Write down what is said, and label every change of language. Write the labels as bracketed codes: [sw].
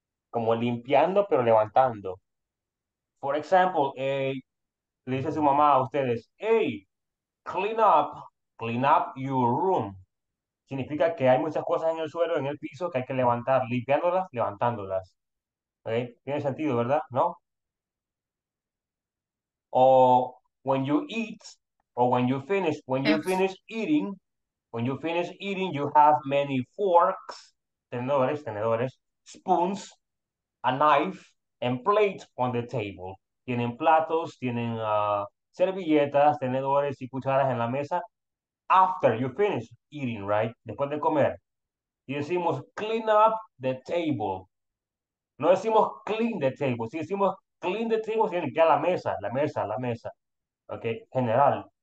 [es] Como limpiando, pero levantando. [en] For example, [es] le dice su mamá a ustedes, [en] hey, clean up your room. [es] Significa que hay muchas cosas en el suelo, en el piso, que hay que levantar, limpiándolas, levantándolas. Okay. Tiene sentido, ¿verdad? ¿No? [en] O when you eat, or when you finish eating, you have many forks, tenedores, spoons, a knife, and plates on the table. [es] Tienen platos, tienen servilletas, tenedores y cucharas en la mesa. [en] After you finish eating, right? [es] Después de comer. Y decimos, [en] clean up the table. [es] No decimos clean the table. Si decimos clean the table, tiene que ir a la mesa. Okay, general.